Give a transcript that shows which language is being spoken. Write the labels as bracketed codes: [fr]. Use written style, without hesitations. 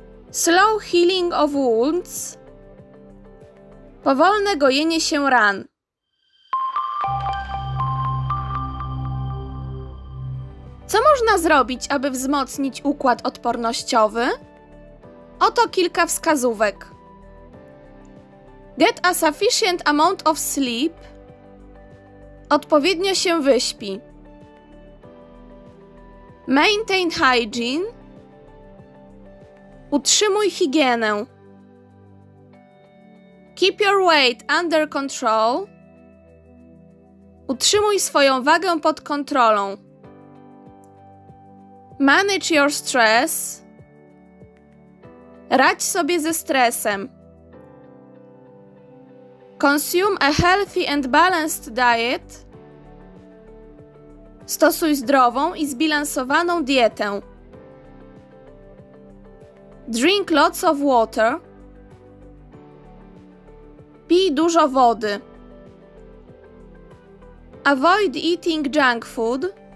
[en] Slow healing of wounds, [pl] powolne gojenie się ran. Co można zrobić, aby wzmocnić układ odpornościowy? Oto kilka wskazówek. [en] Get a sufficient amount of sleep. [pl] Odpowiednio się wyśpi. [en] Maintain hygiene. [pl] Utrzymuj higienę. [en] Keep your weight under control. [pl] Utrzymuj swoją wagę pod kontrolą. [en] Manage your stress. [pl] Radź sobie ze stresem. [en] Consume a healthy and balanced diet. [pl] Stosuj zdrową i zbilansowaną dietę. [en] Drink lots of water. [pl] Pij dużo wody. [en] Avoid eating junk food.